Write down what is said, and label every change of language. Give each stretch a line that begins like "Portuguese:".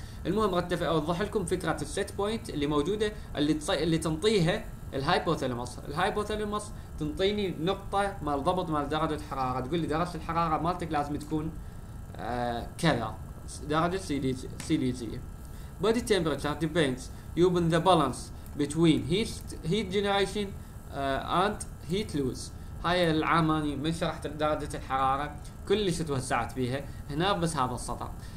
Arabic: المهم رتف اوضح لكم فكره السيت بوينت اللي موجوده اللي تنطيها الهايبوثالاموس. الهايبوثالاموس تنطيني نقطه مال ضبط مال درجه الحراره، تقول لي درجه الحراره مالتك لازم تكون كذا درجه سيليزيه.
English: Body temperature depends upon the balance between heat generation and heat loss.
Arabic: هاي العاماني من شرحت درجة الحرارة كلش توسعت بيها هنا بس هذا السطر.